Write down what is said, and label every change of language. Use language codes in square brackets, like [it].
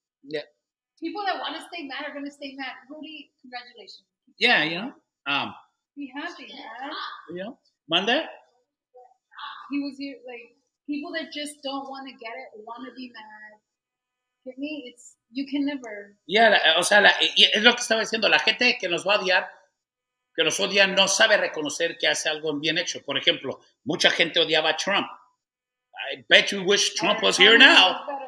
[en] Yeah. People that want to stay mad are going to stay mad. Rudy, congratulations. Yeah, you know. Be happy, man. Yeah. Monday? He was here, like, people that just don't want to get it, want to be mad. Get me? It's, you can never. Yeah, [es] o sea, es lo que estaba diciendo. La gente que nos va a odiar, que nos odia, no sabe reconocer que hace algo bien hecho. Por ejemplo, mucha gente odiaba a Trump. [en] I bet you wish Trump was here now.